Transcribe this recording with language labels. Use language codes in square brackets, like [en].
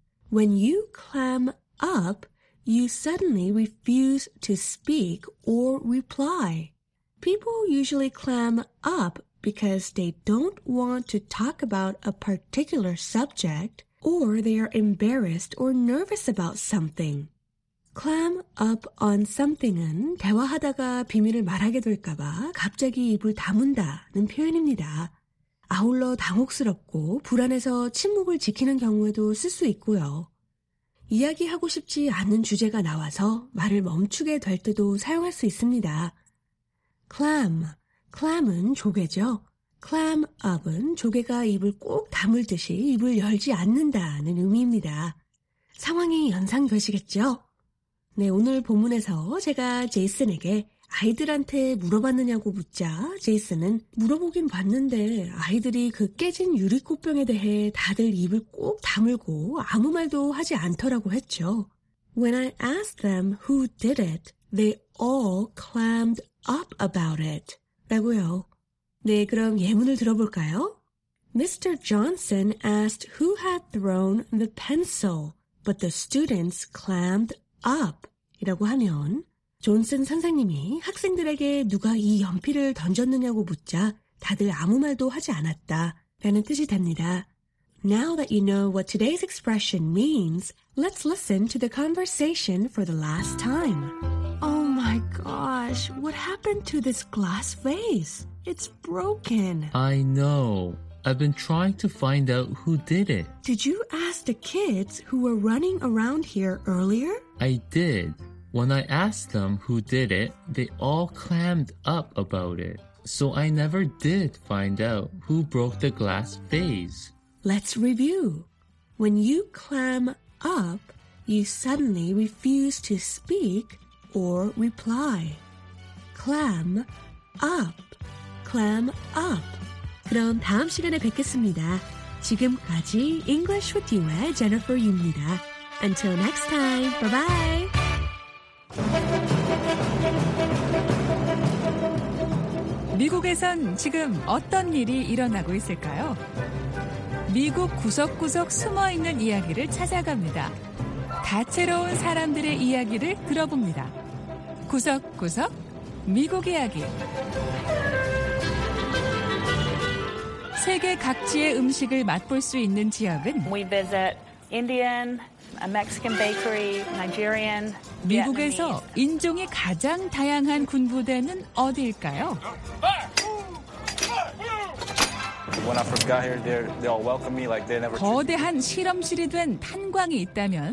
[en] When you clam up, you suddenly refuse to speak or reply. People usually clam up because they don't want to talk about a particular subject or they are embarrassed or nervous about something. Clam up on something은 [ko] 대화하다가 비밀을 말하게 될까봐 갑자기 입을 다문다는 표현입니다. 아울러 당혹스럽고 불안해서 침묵을 지키는 경우에도 쓸 수 있고요. 이야기하고 싶지 않은 주제가 나와서 말을 멈추게 될 때도 사용할 수 있습니다. Clam, clam은 조개죠. Clam up은 조개가 입을 꼭 다물듯이 입을 열지 않는다는 의미입니다. 상황이 연상되시겠죠? 네, 오늘 본문에서 제가 제이슨에게 아이들한테 물어봤느냐고 묻자 제이슨은 물어보긴 봤는데 아이들이 그 깨진 유리꽃병에 대해 다들 입을 꼭 다물고 아무 말도 하지 않더라고 했죠. [en] When I asked them who did it, they all clammed up about it. [ko] 라고요. 네, 그럼 예문을 들어볼까요? [en] Mr. Johnson asked who had thrown the pencil, but the students clammed up. [ko] 이라고 하면 존슨 선생님이 학생들에게 누가 이 연필을 던졌느냐고 묻자 다들 아무 말도 하지 않았다 라는 뜻이 됩니다. [en] Now that you know what today's expression means, let's listen to the conversation for the last time. Oh my god. gosh, what happened to this glass vase? It's broken. I know. I've been trying to find out who did it. Did you ask the kids who were running around here earlier? I did. When I asked them who did it, they all clammed up about it. So I never did find out who broke the glass vase. Let's review. When you clam up, you suddenly refuse to speak or reply. Clam up. Clam up. [ko] 그럼 다음 시간에 뵙겠습니다. 지금까지 English with you의 Jennifer입니다. [en] Until next time, bye-bye. [ko] "미국에선 지금 어떤 일이 일어나고 있을까요?" 미국 구석구석 숨어있는 이야기를 찾아갑니다. 다채로운 사람들의 이야기를 들어봅니다. 구석구석 미국 이야기. 세계 각지의 음식을 맛볼 수 있는 지역은 [en] We visit Indian, a Mexican bakery, Nigerian, [ko] 미국에서 인종이 가장 다양한 군부대는 어디일까요? [en] When I first got here, they all welcomed me like they never. [ko] 거대한 실험실이 된 탄광이 있다면.